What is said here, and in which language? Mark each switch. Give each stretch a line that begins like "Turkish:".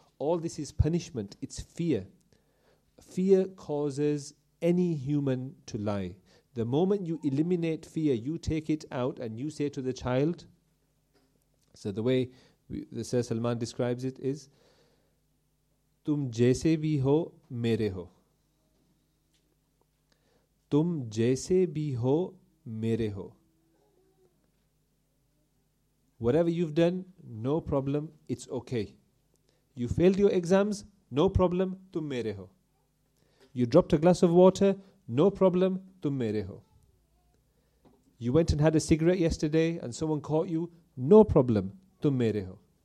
English: All this is punishment, it's fear. Fear causes any human to lie. The moment you eliminate fear, you take it out and you say to the child, so the way the Sir Salman describes it is,
Urdu: تم جیسے بھی ہو، میرے ہو۔ تم جیسے بھی ہو، میرے ہو۔
English: Whatever you've done, no problem, it's okay. You failed your exams, no problem,
Urdu: تم میرے ہو۔
English: You dropped a glass of water, no problem,
Urdu: tum mere ho.
English: You went and had a cigarette yesterday and someone caught you, no problem,
Urdu: tum mere ho.